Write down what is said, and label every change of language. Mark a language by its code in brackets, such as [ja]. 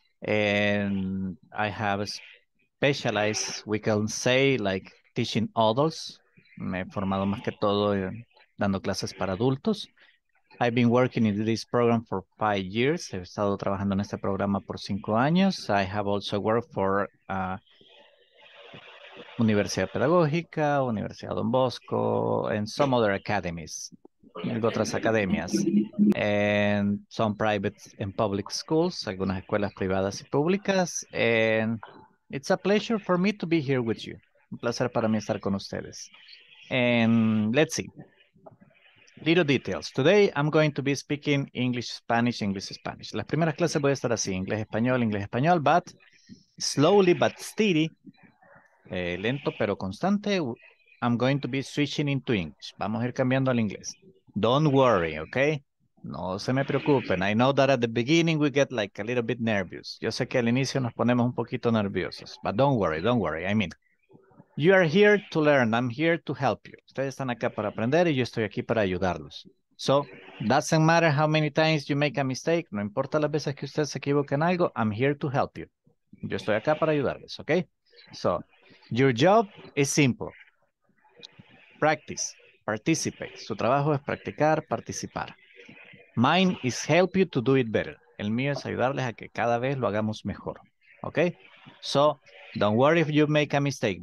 [en] And I have specialized, we can say, like teaching adults. [es] Me he formado más que todo dando clases para adultos. [en] I've been working in this program for 5 years. [es] He estado trabajando en este programa por 5 años. [en] I have also worked for Universidad Pedagógica, Universidad Don Bosco, and some other academies. [es] Algo otras academias. [en] And some private and public schools, [es] algunas escuelas privadas y públicas. [en] And it's a pleasure for me to be here with you. [es] Un placer para mí estar con ustedes. [en] And let's see. Little details. Today I'm going to be speaking English, Spanish, English, Spanish. [es] Las primeras clases voy a estar así, inglés, español, [en] but slowly but steady, [es] lento pero constante, [en] I'm going to be switching into English. [es] Vamos a ir cambiando al inglés. [en] Don't worry, okay? [es] No se me preocupen. [en] I know that at the beginning we get like a little bit nervous. [es] Yo sé que al inicio nos ponemos un poquito nerviosos. [en] But don't worry, I mean, You are here to learn. I'm here to help you. [es] Ustedes están acá para aprender y yo estoy aquí para ayudarlos. [en] So, doesn't matter how many times you make a mistake. [es] No importa las veces que ustedes se equivoquen algo. [en] I'm here to help you. [es] Yo estoy acá para ayudarles, ¿ok? [en] So, your job is simple. Practice. Participate. [es] Su trabajo es practicar, participar. [en] Mine is help you to do it better. [es] El mío es ayudarles a que cada vez lo hagamos mejor, ¿ok? [en] So, don't worry if you make a mistake.